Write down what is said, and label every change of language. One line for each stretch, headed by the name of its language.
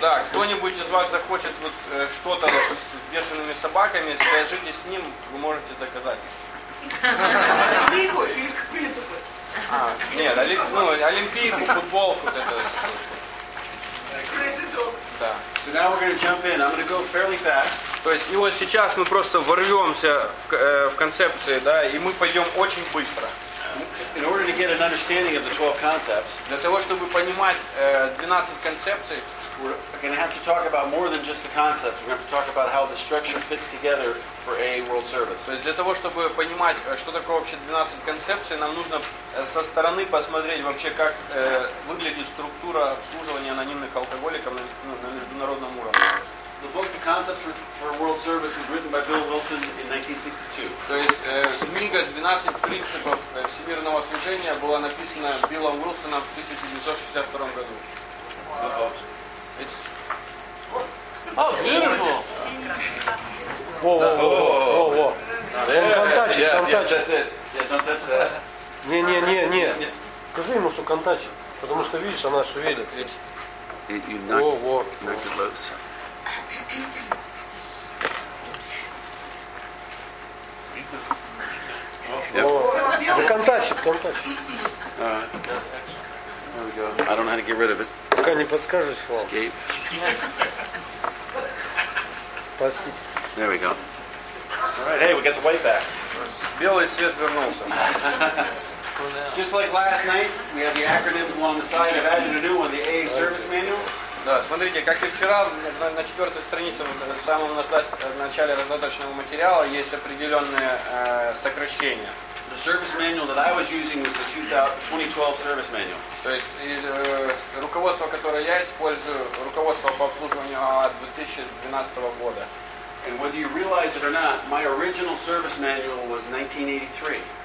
Russian: Да, кто-нибудь из вас захочет вот что-то с бешеными собаками, свяжитесь с ним, вы можете заказать. Олимпийку или к принципу? Нет, Олимпийку, футболку, вот это.
English: Crazy dog.
Russian: Да.
English: So now we're going to jump in. I'm going to go fairly fast.
Russian: То есть, и вот сейчас мы просто ворвемся в концепции, да, и мы пойдем очень быстро.
English: In order to get an understanding of the 12 concepts,
Russian: для того чтобы понимать 12 концепций,
English: we're going to have to talk about more than just the concepts. We're going to have to talk about how the structure fits together for AA World Service.
Russian: То есть для того чтобы понимать, что такое вообще 12 концепций, нам нужно со стороны посмотреть вообще, как выглядит структура обслуживания анонимных алкоголиков на международном уровне.
English: The book The Concepts for World Service was written by Bill Wilson in 1962.
Russian: То есть книга 12 принципов всемирного служения была написана Биллом Уилсоном в 1962 году. Wow.
English: Oh, beautiful. Whoa. Don't touch it. Don't touch it. Yeah, don't touch that.
Russian: Не. Скажи ему, что
English: can't touch it,
Russian: потому что видишь, она шевелится. Whoa. Контакт.
English: I don't know how to get rid of it.
Russian: Пока не подскажешь, Фол.
English: Escape.
Russian: Простите.
English: There we go. All right, hey, we got the white back.
Russian: Белый цвет вернулся.
English: Just like last night, we have the acronyms along the side. I've added a new one, the AA service manual.
Russian: Да, смотрите, как и вчера, на четвертой странице, в самом начале раздаточного материала, есть определенные сокращения.
English: The service manual that I was using was the 2012 service manual.
Russian: То есть руководство, которое я использую, руководство по обслуживанию 2012 года.
English: And whether you realize it or not, my original service manual was 1983.